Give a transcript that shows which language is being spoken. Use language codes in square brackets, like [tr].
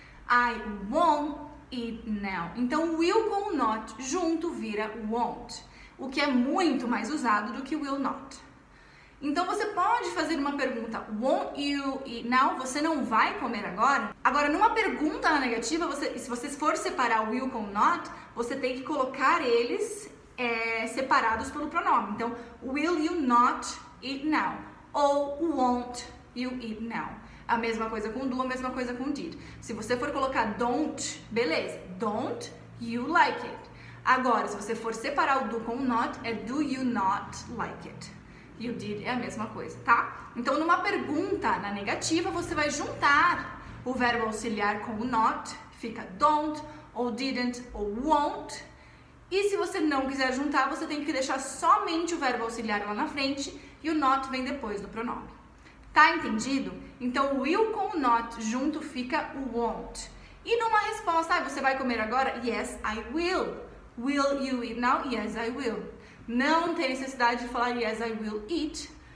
[en] I won't eat now. [pt] Então, will com o not junto vira won't, o que é muito mais usado do que will not. Então, você pode fazer uma pergunta, [en] won't you eat now? [pt] Você não vai comer agora? Agora, numa pergunta negativa, se você for separar o will com o not, você tem que colocar eles separados pelo pronome. Então, [en] will you not eat now? Ou won't you eat now? [pt] A mesma coisa com do, a mesma coisa com did. Se você for colocar don't, beleza. [en] Don't you like it. [pt] Agora, se você for separar o do com o not, é [en] do you not like it. [pt] E o did é a mesma coisa, tá? Então, numa pergunta, na negativa, você vai juntar o verbo auxiliar com o not. Fica don't, ou didn't, ou won't. E se você não quiser juntar, você tem que deixar somente o verbo auxiliar lá na frente e o not vem depois do pronome. Tá entendido? Então, o will com o not junto fica o won't. E numa resposta, você vai comer agora? [en] Yes, I will. Will you eat now? Yes, I will. [pt] Não tem necessidade de falar [en] yes, I will eat.